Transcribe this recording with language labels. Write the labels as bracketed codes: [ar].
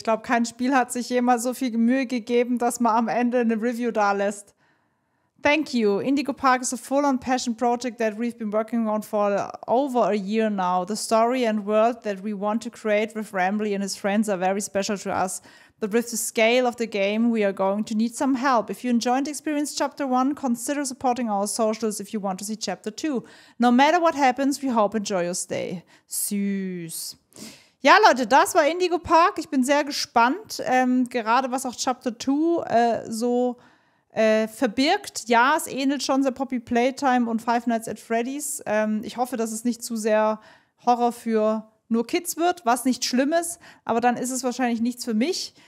[de] Ich glaube, kein Spiel hat sich jemals so viel Mühe gegeben, dass man am Ende eine Review da lässt. [en] Thank you. Indigo Park is a full-on passion project that we've been working on for over a year now. The story and world that we want to create with Rambly and his friends are very special to us. But with the scale of the game, we are going to need some help. If you enjoyed Experience Chapter 1, consider supporting our socials if you want to see Chapter 2. No matter what happens, we hope enjoy your stay. [de] Süß. Ja, Leute, das war Indigo Park. Ich bin sehr gespannt, gerade was auch Chapter 2 verbirgt. Ja, es ähnelt schon sehr Poppy Playtime und Five Nights at Freddy's. Ich hoffe, dass es nicht zu sehr Horror für nur Kids wird, was nicht schlimm ist, aber dann ist es wahrscheinlich nichts für mich.